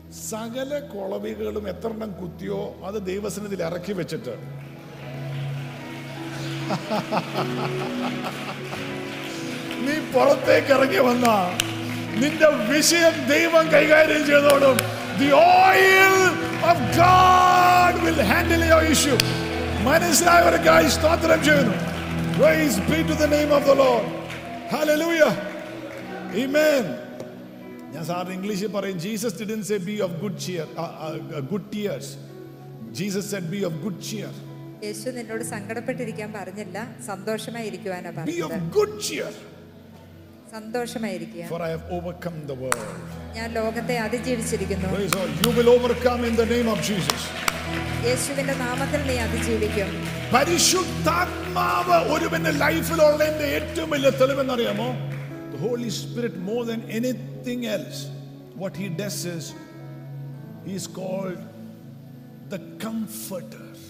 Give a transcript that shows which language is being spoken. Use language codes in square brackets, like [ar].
[ml] സകല കുളവികളും എത്ര എണ്ണം കുത്തിയോ അത് ദൈവസന്നിധിയിൽ ഇറക്കി വെച്ചിട്ട് നീ പുറത്തേക്ക് ഇറങ്ങി വന്ന നിന്റെ വിഷയം ദൈവം കൈകാര്യം ചെയ്തോളും. [en] The oil of God will handle your issue. [ml] മനസ്സിലായവരെ ഗായ് സ്തോത്രം ചെയ്യുന്നു. [en] Praise be to the name of the Lord. Hallelujah. Amen. [ml] ഞാൻ സാറിന് ഇംഗ്ലീഷിൽ പറയും, [en] Jesus didn't say be of good cheer, good tears. Jesus said be of good cheer. [ml] യേശു നിന്നോട് സങ്കടപ്പെട്ടിരിക്കാൻ പറഞ്ഞില്ല, സന്തോഷമായിരിക്കുവാനാണ് പറഞ്ഞത്. [en] be of good cheer, [ml] സന്തോഷമായിരിക്കുക. [en] for I have overcome the world, [ml] ഞാൻ ലോകത്തെ അതിജീവിച്ചിരിക്കുന്നു. [en] Praise the Lord, you will overcome in the name of Jesus. [ml] യേശുവിന്റെ നാമത്തിൽ നീ അതിജീവിക്കും. പരിശുദ്ധാത്മാവ് ഒരുവന്റെ ലൈഫിലുള്ള എന്റെ ഏറ്റവും വലിയ തെളിവെന്ന് അറിയാമോ? [en] The Holy Spirit, more than anything else, what he does is, he is called the comforter.